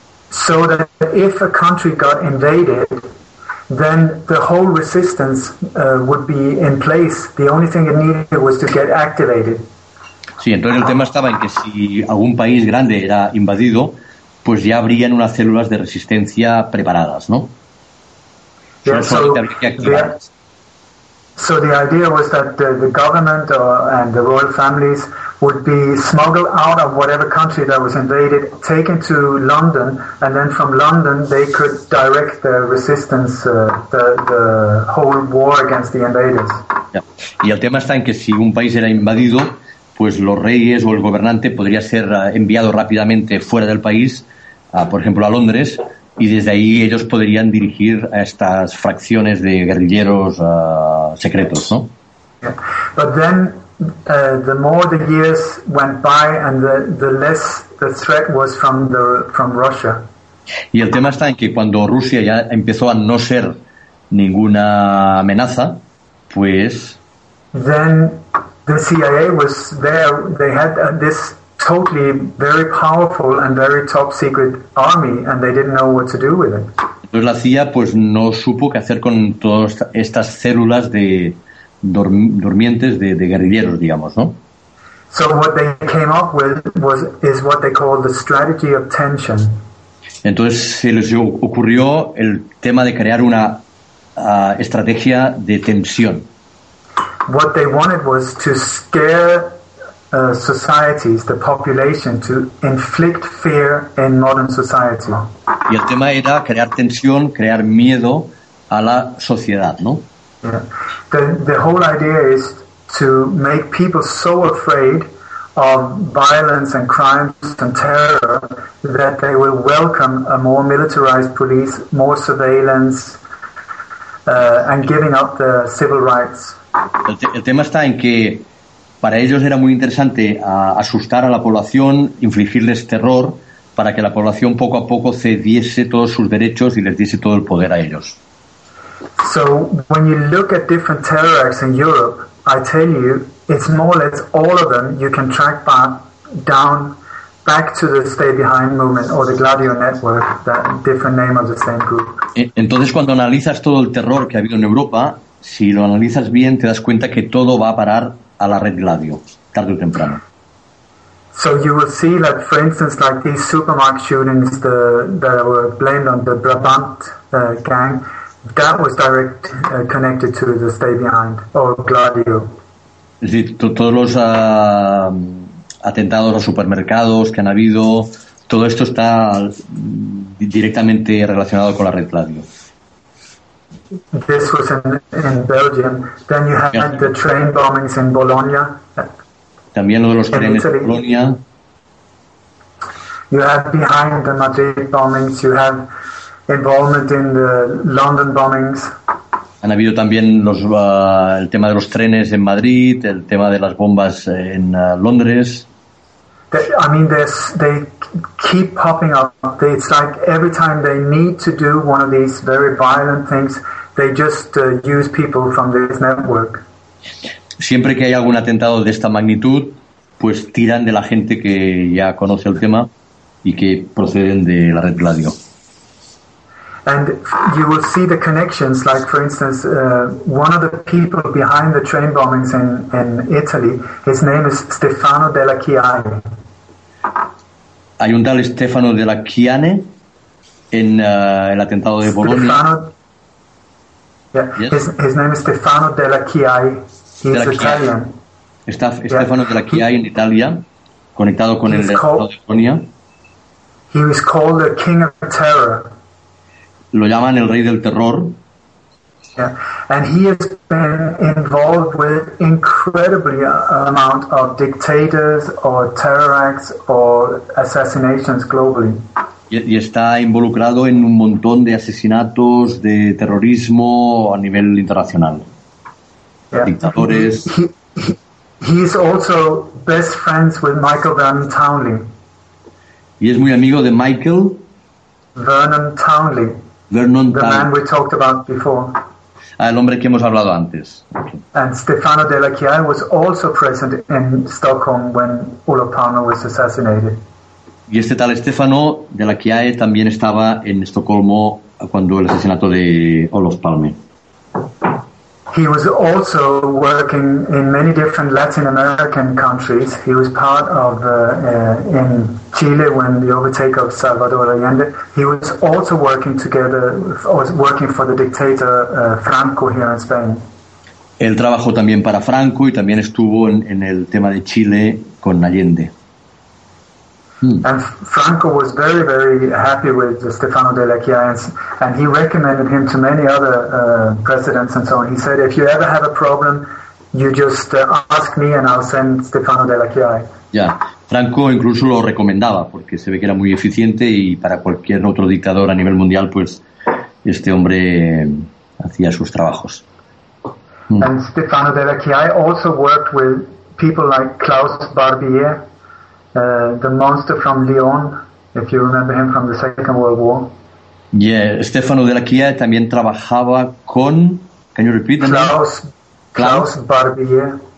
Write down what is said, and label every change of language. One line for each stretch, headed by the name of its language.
English: So that if a country got invaded, then the whole resistance would be in place. The only thing it needed was to get activated.
Spanish: Sí, entonces el tema estaba en que si algún país grande era invadido, pues ya habrían unas células de resistencia preparadas, ¿no?
English: Yeah,
Spanish: solamente habría que activarlas.
English: So the idea was that the government and the royal families would be smuggled out of whatever country that was invaded, taken to London, and then from London they could direct their resistance, the whole war against the invaders. Yeah.
Spanish: Y el tema está en que si un país era invadido, pues los reyes o el gobernante podría ser enviado rápidamente fuera del país, por ejemplo a Londres, y desde ahí ellos podrían dirigir a estas fracciones de guerrilleros secretos, ¿no?
English: But then the more the years went by and the less the threat was from Russia.
Spanish: Y el tema está en que cuando Rusia ya empezó a no ser ninguna amenaza, pues
English: then the CIA was there, they had this totally very powerful and very top secret army, and they didn't know what to do with it.
Spanish: Entonces la CIA pues no supo qué hacer con todas estas células de durmientes de guerrilleros, digamos, ¿no?
English: So what they came up with is what they call the strategy of tension.
Spanish: Entonces se les ocurrió el tema de crear una estrategia de tensión.
English: What they wanted was to scare societies, the population, to inflict fear in modern society.
Spanish: Y el tema era crear tensión, crear miedo a la sociedad, ¿no?
English: Yeah. The whole idea is to make people so afraid of violence and crimes and terror that they will welcome a more militarized police, more surveillance, and giving up their civil rights.
Spanish: El tema está en que para ellos era muy interesante asustar a la población, infligirles terror, para que la población poco a poco cediese todos sus derechos y les diese todo el poder a ellos.
English: So when you look at different terror acts in Europe, I tell you, it's more or less all of them you can track back to the Stay Behind movement or the Gladio network, that different name of the same group.
Spanish: Entonces cuando analizas todo el terror que ha habido en Europa, si lo analizas bien, te das cuenta que todo va a parar a la red Gladio, tarde o temprano.
English: So you will see that, for instance, like these Supermark shootings that were blamed on the Brabant gang, that was connected to the Stay Behind or Gladio.
Spanish: Es decir, todos los atentados a supermercados que han habido, todo esto está directamente relacionado con la red Gladio.
English: This was in Belgium. Then you had the train bombings in Bologna.
Spanish: También lo de los trenes en Bologna.
English: You had behind the Madrid bombings, you had involvement in the London bombings.
Spanish: Han habido también el tema de los trenes en Madrid, el tema de las bombas en Londres.
English: They keep popping up. It's like every time they need to do one of these very violent things, they just use people from this network.
Spanish: Siempre que hay algún atentado de esta magnitud, pues tiran de la gente que ya conoce el tema y que proceden de la red Gladio.
English: And you will see the connections, like for instance, one of the people behind the train bombings in Italy, his name is Stefano Della Chiane.
Spanish: Hay un tal Stefano Della Chiane en el atentado de Bologna.
English: His name is Stefano Della Chiane. He's Della Italian.
Spanish: Stefano Della Chiane in Italia, conectado con el estado de Bologna.
English: He was called the King of Terror.
Spanish: Lo llaman el rey del terror.
English: Yeah. And he has been involved with incredible amount of dictators or terror acts or assassinations globally.
Spanish: Y está involucrado en un montón de asesinatos, de terrorismo a nivel internacional.
English: Yeah.
Spanish: Dictadores.
English: He is also best friends with Michael Vernon Townley.
Spanish: Y es muy amigo de Michael Vernon Townley. Vernon
English: the man we talked about before.
Spanish: Ah, el hombre que hemos hablado antes.
English: And Stefano Della Chiaia was also present in Stockholm when Olof Palme was assassinated.
Spanish: Y este tal Stefano Della Chiaia también estaba en Estocolmo cuando el asesinato de Olof Palme.
English: He was also working in many different Latin American countries. He was part of in Chile when the overtake of Salvador Allende. He was also working together, working for the dictator Franco here in Spain.
Spanish: Él trabajó también para Franco y también estuvo en el tema de Chile con Allende.
English: And Franco was very, very happy with Stefano Della Chiaia, and he recommended him to many other presidents and so on. He said, if you ever have a problem, you just ask me and I'll send Stefano Della Chiaia. Yeah.
Spanish: Franco incluso lo recomendaba, porque se ve que era muy eficiente y para cualquier otro dictador a nivel mundial, pues este hombre hacía sus trabajos.
English: And Stefano Della Chiaia also worked with people like Klaus Barbier, the monster from Lyon, if you remember him from the Second World War. Yeah, Stefano Della Chiaia
Spanish: también trabajaba con...
English: Can you repeat the name? Klaus Barbier.